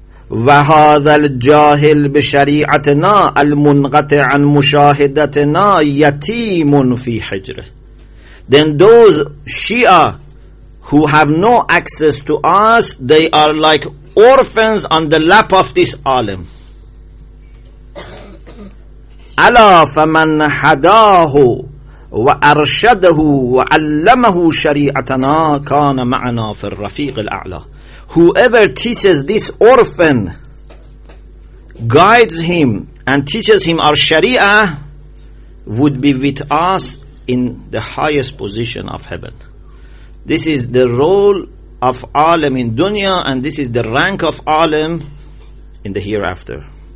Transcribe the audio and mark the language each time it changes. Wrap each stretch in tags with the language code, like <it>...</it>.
<ar>وَهَذَا الْجَاهِلْ بِشَرِيعَتِنَا الْمُنْغَتِ عَنْ مُشَاهِدَتِنَا يَتِيمٌ فِي حِجْرِهِ.</ar> <en>Then those Shia who have no access to us, they are like orphans on the lap of this alim.</en> <ar>ألا فمن هداه وأرشده وعلمه شريعتنا كان معنا في الرفيق الأعلى.</ar> <en>Whoever teaches this orphan, guides him and teaches him our Sharia, would be with us in the highest position of heaven. This is the role of alim in dunya, and this is the rank of alim in the hereafter.</en>